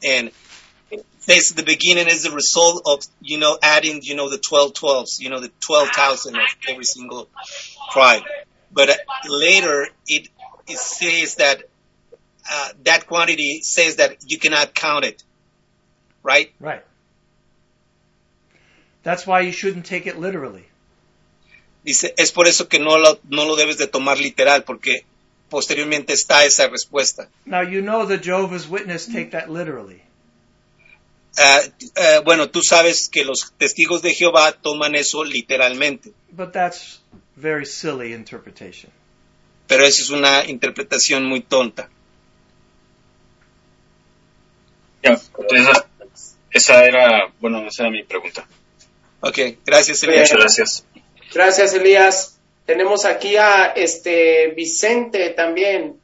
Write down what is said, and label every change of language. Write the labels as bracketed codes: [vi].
[en] And this, the beginning is the result of, you know, adding, you know, the 12 12s, you know, the 12,000 of every single tribe. But later it says that that quantity says that you cannot count it, right? Right. That's why you shouldn't take it literally. [es] Dice, es por eso que no lo debes de tomar literal, porque posteriormente está esa respuesta. [en] Now you know the Jehovah's Witness take that literally. [es] Bueno, tú sabes que los testigos de Jehová toman eso literalmente. [en] But that's very silly interpretation. [es] Pero esa es una interpretación muy tonta. Yeah, esa era mi pregunta. Okay, gracias, Elías. Muchas gracias. Gracias, Elías. Tenemos aquí a Vicente también.